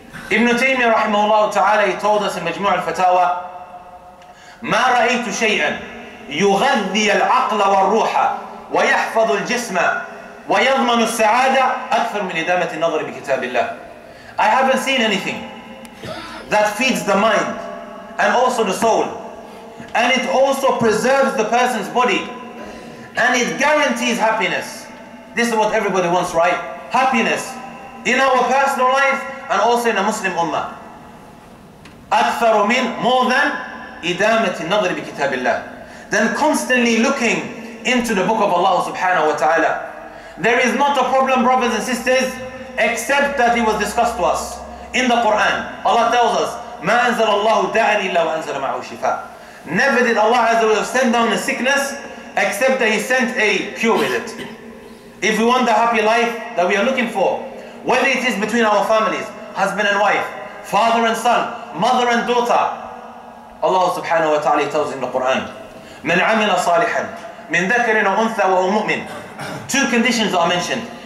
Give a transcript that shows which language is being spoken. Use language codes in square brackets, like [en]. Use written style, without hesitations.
[en] Ibn Taymiyyah rahimahullah ta'ala, he told us in Majmu' al-Fatawa, [ar] مَا رَأَيْتُ شَيْئًا يُغَذِّيَ الْعَقْلَ وَالْرُوحَ وَيَحْفَظُ الْجِسْمَ وَيَضْمَنُ السَّعَادَةَ أَكْثَرْ مِنْ إِدَامَةِ النَّظْرِ بِكِتَابِ اللَّهِ. [en] I haven't seen anything that feeds the mind and also the soul, and it also preserves the person's body, and it guarantees happiness. This is what everybody wants, right? Happiness in our personal life and also in a Muslim ummah. [ar] أَكْثَرُ مِنْ [en] more than [ar] إِدَامَةِ النَّظْرِ بِكِتَابِ اللَّهِ. [en] Then constantly looking into the book of Allah subhanahu wa ta'ala. There is not a problem, brothers and sisters, except that it was discussed to us in the Quran. Allah tells us, [ar] مَا أَنزَلَ اللَّهُ دَعَنِ إِلَّا وَأَنزَلَ مَعُهُ شِفَاءً. [en] Never did Allah send down a sickness except that He sent a cure with it. If we want the happy life that we are looking for, whether it is between our families, husband and wife, father and son, mother and daughter, Allah subhanahu wa ta'ala tells in the Quran, [ar] مَنْ عَمِلَ صَالِحًا مِنْ ذَكَرٍ وَأُنْثَى وَهُوَ مُؤْمِنٌ. [en] Two conditions are mentioned.